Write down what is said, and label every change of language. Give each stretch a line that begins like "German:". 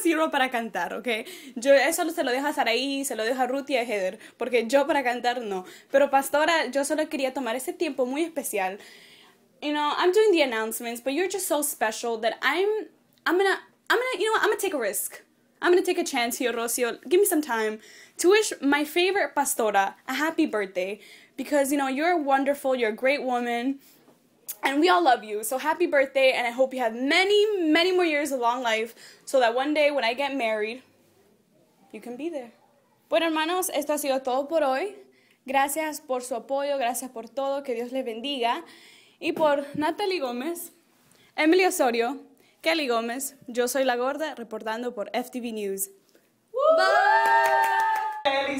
Spanish: Para cantar, ¿ok? Yo eso se lo dejo a Saraí, se lo dejo a Ruth y a Heather, porque yo para cantar no. Pero pastora, yo solo quería tomar ese tiempo muy especial.
English: You know, I'm doing the announcements, but you're just so special that I'm gonna take a risk. I'm gonna take a chance here, Rocio. Give me some time to wish my favorite pastora a happy birthday, because you know you're wonderful, you're a great woman. And we all love you, so happy birthday, and I hope you have many, many more years of long life, so that one day when I get married, you can be there.
Spanish: Bueno, hermanos, esto ha sido todo por hoy. Gracias por su apoyo, gracias por todo, que Dios les bendiga. Y por Natalie Gómez, Emily Osorio, Kelly Gómez, yo soy La Gorda, reportando por FTV News. ¡Woo! ¡Bye!